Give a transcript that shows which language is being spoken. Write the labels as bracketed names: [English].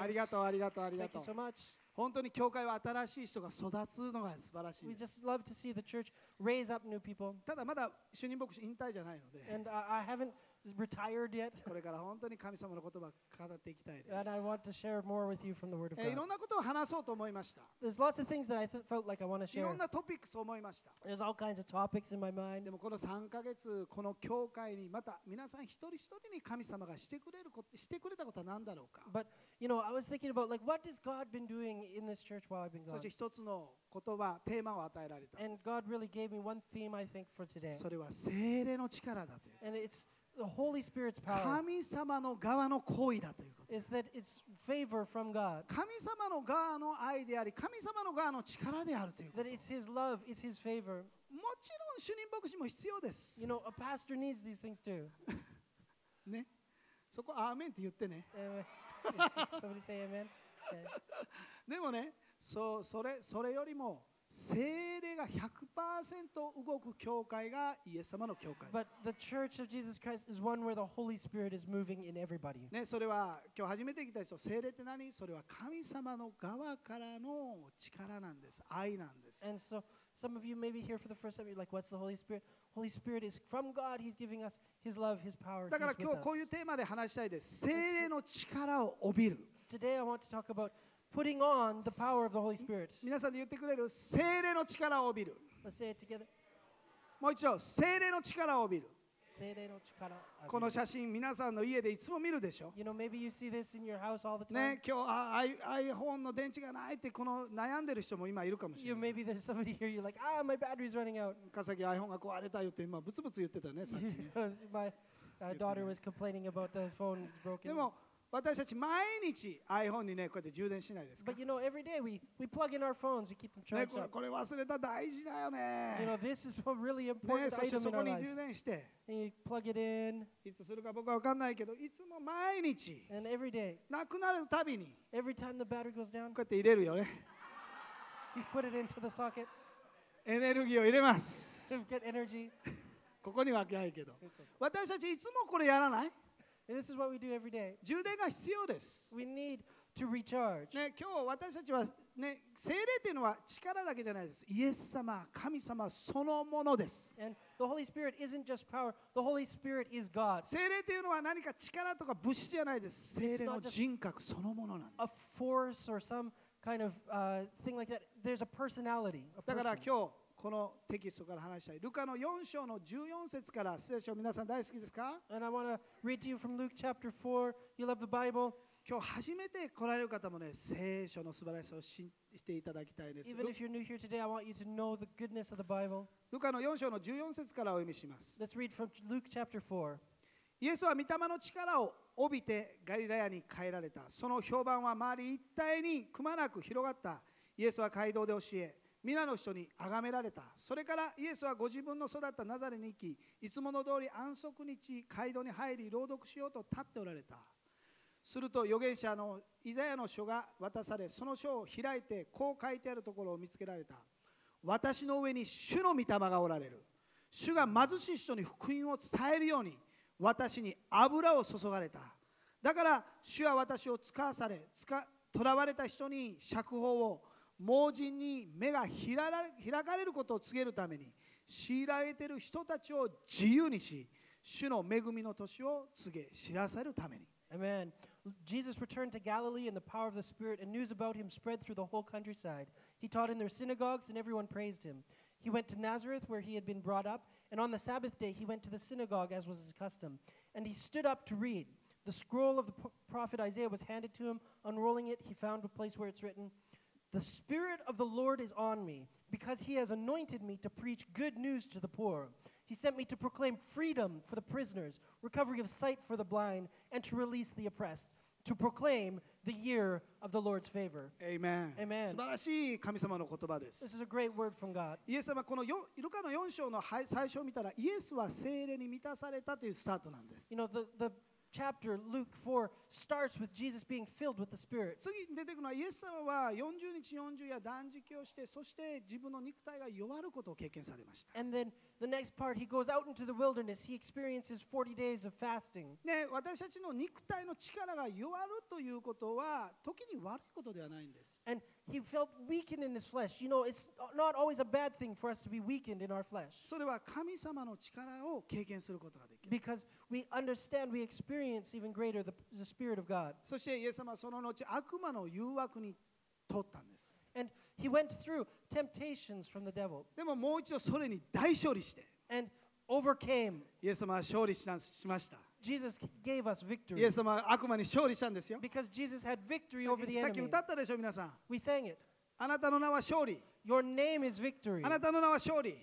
[Japanese] ありがとう、ありがとう、ありがとう。 [English] Thank you so much. [Japanese] 本当に教会は新しい人が育つのが素晴らしいです。 [English] We just love to see the church raise up new people. [Japanese] ただまだ主任牧師引退じゃないので。 [English] And I haven't retired yet. [Japanese] これから本当に神様の言葉を語っていきたいです。 [English] And I want to share more with you from the word of God. [Japanese] いろんなことを話そうと思いました。 [English] There's lots of things that I felt like I want to share. [Japanese] いろんなトピックスを思いました。 [English] There's all kinds of topics in my mind. [Japanese] でもこの3ヶ月この教会にまた皆さん一人一人に神様がしてくれたことは何だろうか。 [English] But you know, I was thinking about like what has God been doing in this church while I've been gone. [Japanese] そして一つの言葉テーマを与えられた。 [English] And God really gave me one theme I think for today. [Japanese] それは聖霊の力だという。 [English] And it'sThe Holy Spirit's power. [Japanese] 神様の側の行為だということ。 [English] Is that it's favor from God. [Japanese] 神様の側の愛であり、神様の側の力であるということ。 [English] That it's His love, it's His favor. [Japanese] もちろん主任牧師も必要です。 [English] You know, a pastor needs these things too. [Japanese] ね、そこアーメンって言ってね。 [English] Somebody say amen. [Japanese] でもね、それよりも。聖霊が 100% 動く教会がイエス様の教会です。 [English] But the church of Jesus Christ is one where the Holy Spirit is moving in everybody. [Japanese] ね、それは今日初めて来た人、聖霊って何？それは神様の側からの力なんです。愛なんです。 [English] And so some of you maybe here for the first time, you're like, what's the Holy Spirit? Holy Spirit is from God. He's giving us His love, His power. [Japanese] だから今日こういうテーマで話したいです。聖霊の力を帯びる。 [English] Today I want to talk aboutPutting on the power of the Holy Spirit. [Japanese] 皆さんで言ってくれる聖霊の力を帯びる。 [English] Let's say it together. [Japanese] もう一度、聖霊の力を帯びる。聖霊の力を帯びる。この写真、皆さんの家でいつも見るでしょ。 [English] You know, maybe you see this in your house all the time. [Japanese] ね、今日iPhone の電池がないってこの悩んでる人も今いるかもしれない。 [English] You maybe there's somebody here. You're like, ah, my battery's running out. [Japanese] 笠木 iPhone が壊れたよって今ブツブツ言ってたね、さっき。 [English] My daughter was complaining about the phone's broken. [Japanese] でも私たち毎日 iPhone にねこうやって充電しないですか。 [English] But you know, every day we plug in our phones, we keep them charged. [Japanese] ね、これ忘れた大事だよね。 [English] You know, this is a really important item in our lives. [Japanese] そこに充電して。 [English] And you plug it in. [Japanese] いつするか僕は分かんないけど、いつも毎日。 [English] And every day. [Japanese] なくなるたびに。 [English] Every time the battery goes down. [Japanese] こうやって入れるよね。 [English] You put it into the socket. [Japanese] エネルギーを入れます。 [English] Get energy. [Japanese] ここにはないけど。私たちいつもこれやらない？ [English] This is what we do every day. [Japanese] 充電が必要です。 [English] We need to recharge. [Japanese] ね、今日私たちはね、聖霊というのは力だけじゃないです。イエス様、神様そのものです。 [English] And the Holy Spirit isn't just power. The Holy Spirit is God. [Japanese] 聖霊というのは何か力とか物質じゃないです。聖霊の人格そのものなんです。 [English] A force or some kind of thing like that. There's a personality. [Japanese] だから今日このテキストから話したい。ルカの4章の14節から聖書皆さん大好きですか？ [English] And I want to read to you from Luke chapter 4. You love the Bible. [Japanese] 今日初めて来られる方もね、聖書の素晴らしさを信じていただきたいです。 [English] Even if you're new here today, I want you to know the goodness of the Bible. [Japanese] ルカの4章の14節からお読みします。 [English] Let's read from Luke chapter 4. [Japanese] イエスは御霊の力を帯びてガリラヤに帰られた。その評判は周り一帯にくまなく広がった。イエスは街道で教え、皆の人に崇められた。それからイエスはご自分の育ったナザレに行き、いつもの通り安息日街道に入り朗読しようと立っておられた。すると預言者のイザヤの書が渡され、その書を開いてこう書いてあるところを見つけられた。私の上に主の御霊がおられる。主が貧しい人に福音を伝えるように私に油を注がれた。だから主は私を使わされ、囚われた人に釈放を、盲人に目が開かれることを告げるために、強いられている人たちを自由にし、主の恵みの年を告げ知らせるために。 [English] Amen. Jesus returned to Galilee in the power of the Spirit, and news about him spread through the whole countryside. He taught in their synagogues, and everyone praised him. He went to Nazareth, where he had been brought up, and on the Sabbath day he went to the synagogue, as was his custom. And he stood up to read. The scroll of the prophet Isaiah was handed to him. Unrolling it, he found a place where it's written, "The Spirit of the Lord is on me, because he has anointed me to preach good news to the poor. He sent me to proclaim freedom for the prisoners, recovery of sight for the blind, and to release the oppressed, to proclaim the year of the Lord's favor." Amen. Amen. [Japanese] 素晴らしい神様の言葉です。 [English] This is a great word from God. [Japanese] イエス様、このルカの4章の最初を見たら、イエスは聖霊に満たされたというスタートなんです。 [English] You know, the chapter Luke 4 starts with Jesus being filled with the Spirit. [Japanese] 次に出てくるのは、イエス様は40日40夜断食をして、そして自分の肉体が弱ることを経験されました。 [English] And then the next part, he goes out into the wilderness. He experiences 40 days of fasting. [Japanese] ね、私たちの肉体の力が弱るということは時に悪いことではないんです。 [English] And he felt weakened in his flesh. You know, it's not always a bad thing for us to be weakened in our flesh. [Japanese] それは神様の力を経験することができる。 [English] Because we understand, we experience even greater the Spirit of God. [Japanese] そしてイエス様はその後悪魔の誘惑に通ったんです。 [English] And he went through temptations from the devil. [Japanese] でももう一度それに大勝利して。 [English] And overcame. [Japanese] イエス様は勝利しました。 [English] Jesus gave us victory. [Japanese] イエス様は悪魔に勝利したんですよ。 [English] Because Jesus had victory over the enemy. [Japanese] さっき歌ったでしょ皆さん。 [English] We sang it. [Japanese] あなたの名は勝利。 [English] Your name is victory. [Japanese] あなたの名は勝利。